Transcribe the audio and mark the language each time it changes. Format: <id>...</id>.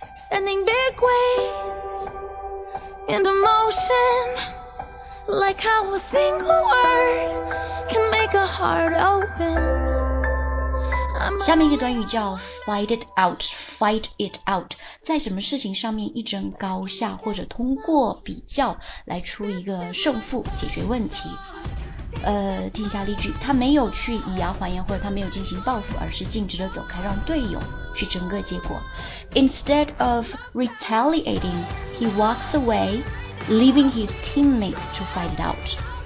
<en>Sending big waves into motionLike how a single word can make a heart open.</en> <zh>下面一个短语叫</zh> <en>fight it out, fight it out.</en> <zh>在什么事情上面一争高下，或者通过比较来出一个胜负，解决问题。听一下例句，他没有去以牙还牙，或者他没有进行报复，而是径直的走开，让队友去争个结果。</zh> <en>Instead of retaliating, he walks away. Leaving his teammates to fight it out.</en>